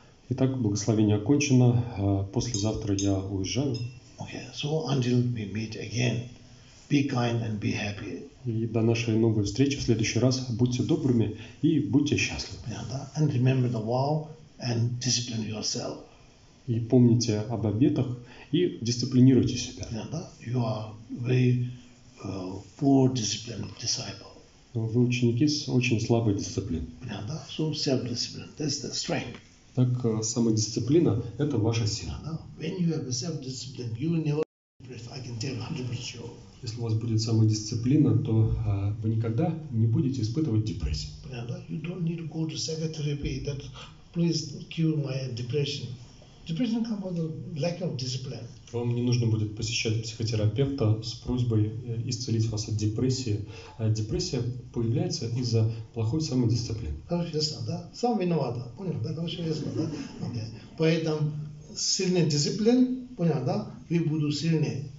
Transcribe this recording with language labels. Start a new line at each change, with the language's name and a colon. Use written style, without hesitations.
Russian: Итак, благословение окончено. Послезавтра я уезжаю.
English: Okay. So until we meet again, be kind and be happy.
Russian: И до нашей новой встречи в следующий раз будьте добрыми и будьте счастливы.
English: And remember the vow and discipline yourself.
Russian: И помните об обетах и дисциплинируйте себя.
English: You are very poor disciplined disciple.
Russian: Вы ученики с очень слабой дисциплиной.
English: So self-discipline, that's the strength.
Russian: Так самодисциплина – это ваша сила.
English: When you have a self-discipline, you will never be depressed. I can tell 100% sure.
Russian: Если у вас будет самодисциплина, то вы никогда не будете испытывать депрессию. Понятно?
English: You don't need to go to psychotherapy that please cure my depression. Depression comes from the lack of discipline.
Russian: Вам не нужно будет посещать психотерапевта с просьбой исцелить вас от депрессии. Депрессия появляется из-за плохой самодисциплины. Хорошо, ясно, да? Сам виноват, понял, да? Хорошо, ясно, да? Okay. Поэтому сильная дисциплина, понял, да? Вы будете сильнее.